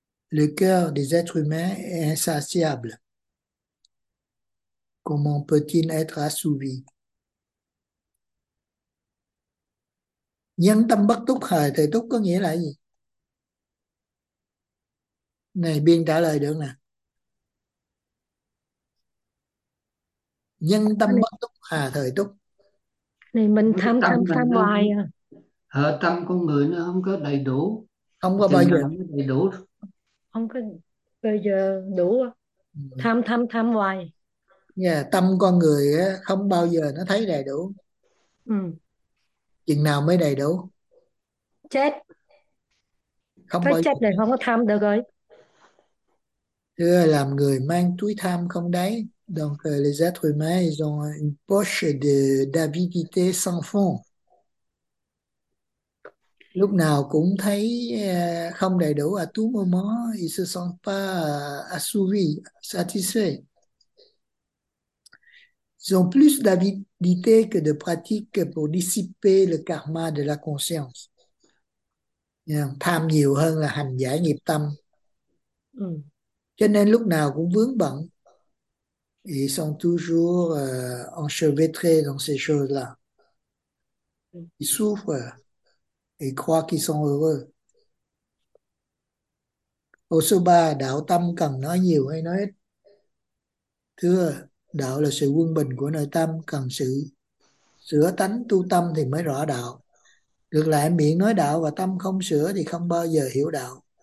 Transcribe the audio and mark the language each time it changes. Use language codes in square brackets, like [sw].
[fr] Le cœur des êtres humains est insatiable. Comment peut-il être assouvi? [vi] Nhân tâm bất túc hời thì túc có nghĩa là gì? Này, Biên trả lời được nè. Nhân tâm bất túc hà thời túc. Này mình Cái tham tâm tham tham hoài à. ở tâm con người nó không có đầy đủ, Không có thì bao nó không có đầy đủ. không có bây giờ đủ tham tham tham hoài. Tâm con người á không bao giờ nó thấy đầy đủ. Chừng nào mới đầy đủ? Chết. Không Phải bao giờ chết để hết. không có tham được rồi. Thưa, làm người mang túi tham không đáy. [fr] Donc les êtres humains, ils ont une poche d'avidité sans fond. [vi] Lúc nào cũng thấy không đầy đủ, [fr] à tout moment, ils se sentent pas assouvis, satisfaits. Ont plus d'avidité que de pratique pour dissiper le karma de la conscience. [vi] Tham nhiều hơn là hành giải nghiệp tâm. Cho nên lúc nào cũng vướng bận. [fr] Ils sont toujours enchevêtrés dans ces choses-là. Ils souffrent et croient qu'ils sont heureux. [vi] Au soba, đạo tâm cần nói nhiều hay nói ít? Thưa, đạo là sự quân bình của nội tâm, cần sự sửa tánh tu tâm thì mới rõ đạo. Ngược lại, miệng nói đạo và tâm không sửa thì không bao giờ hiểu đạo.